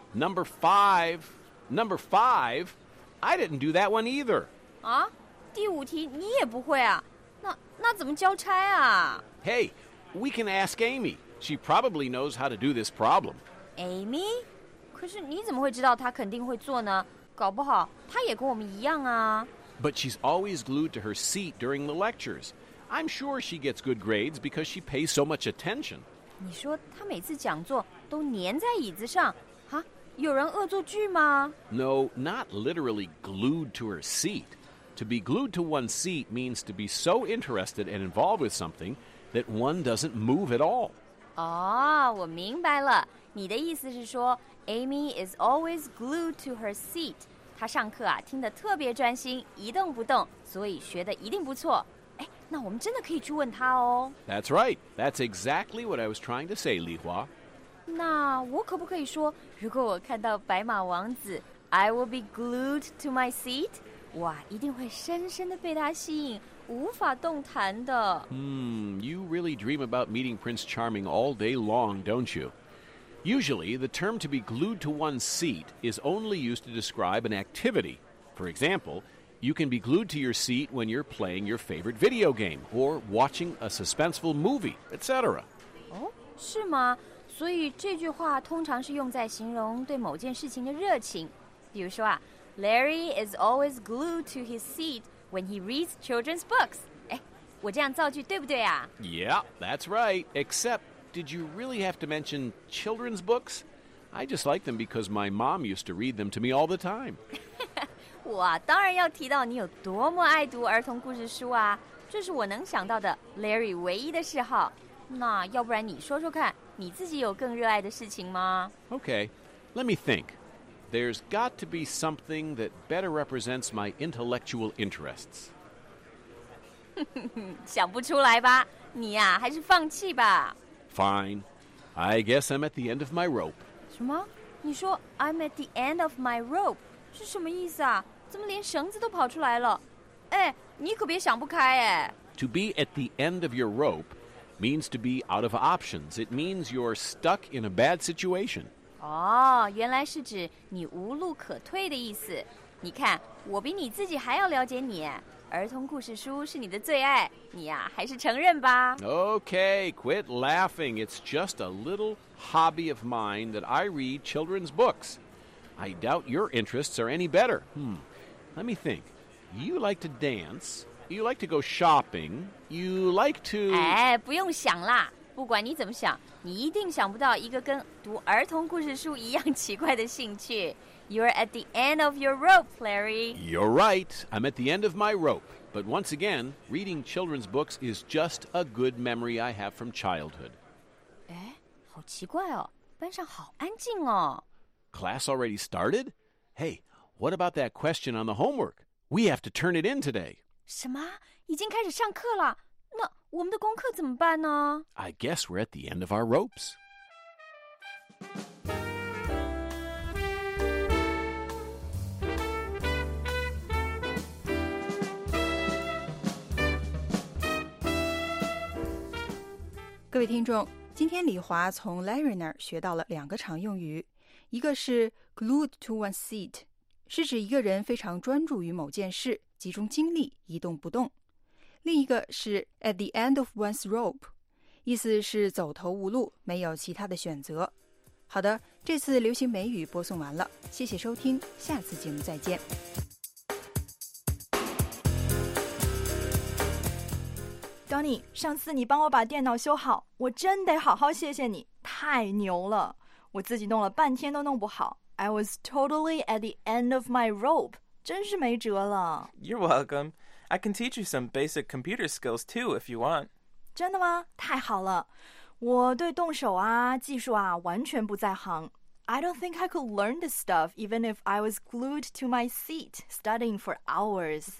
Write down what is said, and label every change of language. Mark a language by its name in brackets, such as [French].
[English] Number five, I didn't do that one either. [Chinese] 啊？第五题你也不会啊？那怎么交差啊？ [English] Hey, we can ask Amy. She probably knows how to do this problem. Amy? [Chinese] 可是你怎么会知道她肯定会做呢？搞不好她也跟我们一样啊。 [English] But she's always glued to her seat during the lectures. I'm sure she gets good grades because she pays so much attention. [Chinese] 你说她每次讲座都粘在椅子上，啊？有人恶作剧吗？ [English] No, not literally glued to her seat. To be glued to one's seat means to be so interested and involved with something that one doesn't move at all. [Chinese] 哦，我明白了。你的意思是说 [English] Amy is always glued to her seat. [Chinese] 他上课啊，听得特别专心，一动不动，所以学得一定不错。哎，那我们真的可以去问他哦。 [English] That's right. That's exactly what I was trying to say, 李华。 [Chinese] 那我可不可以说，如果我看到白马王子 ， [English] I will be glued to my seat， [Chinese] 哇，一定会深深地被他吸引，无法动弹的。 [English] You really dream about meeting Prince Charming all day long, don't you? Usually, the term to be glued to one's seat is only used to describe an activity. For example, you can be glued to your seat when you're playing your favorite video game or watching a suspenseful movie, etc. [Chinese] 哦，是吗？所以这句话通常是用在形容对某件事情的热情。比如说啊 [English] ，Larry is always glued to his seat when he reads children's books. [Chinese] 哎，我这样造句对不对啊 [English] ？Yeah, that's right. Except.Did you really have to mention children's books? I just like them because my mom used to read them to me all the time. [Chinese] 我当然要提到你有多么爱读儿童故事书啊，这是我能想到的 Larry 唯一的嗜好。那要不然你说说看，你自己有更热爱的事情吗？ [English] Okay, let me think. There's got to be something that better represents my intellectual interests. [Chinese] 想不出来吧？你呀，还是放弃吧。 [English] Fine, I guess I'm at the end of my rope. [Chinese] 什么？你说 [English] I'm at the end of my rope [Chinese] 是什么意思啊？怎么连绳子都跑出来了？哎，你可别想不开哎。 [English] To be at the end of your rope. Means to be out of options. It means you're stuck in a bad situation. [Chinese] Oh, 原来是指你无路可退的意思。你看，我比你自己还要了解你。儿童故事书是你的最爱，你呀，还是承认吧。 [English] Okay, quit laughing. It's just a little hobby of mine that I read children's books. I doubt your interests are any better. Let me think. You like to dance... You like to go shopping. You like to... [Chinese] 哎，不用想啦。不管你怎么想，你一定想不到一个跟读儿童故事书一样奇怪的兴趣。 [English] You're at the end of your rope, Larry. You're right. I'm at the end of my rope. But once again, reading children's books is just a good memory I have from childhood. [Chinese] 哎，好奇怪哦。班上好安静哦。 [English] Class already started? Hey, what about that question on the homework? We have to turn it in today. [Chinese] 什么？已经开始上课了？那我们的功课怎么办呢？ [English] I guess we're at the end of our ropes. [Chinese] 各位听众，今天李华从 Larry 那儿学到了两个常用语，一个是 glued to one's seat， 是指一个人非常专注于某件事。集中精力一动不动，另一个是 at the end of one's rope， 意思是走投无路，没有其他的选择。好的，这次流行美语播送完了，谢谢收听，下次节目再见。 Donny， 上次你帮我把电脑修好，我真得好好谢谢你，太牛了！我自己弄了半天都弄不好 ， [English] I was totally at the end of my rope。 [Chinese] 真是没辙了。 [English] You're welcome. I can teach you some basic computer skills too if you want. [Chinese] 真的吗？太好了。我对动手啊，技术啊，完全不在行。 [English] I don't think I could learn this stuff even if I was glued to my seat, studying for hours.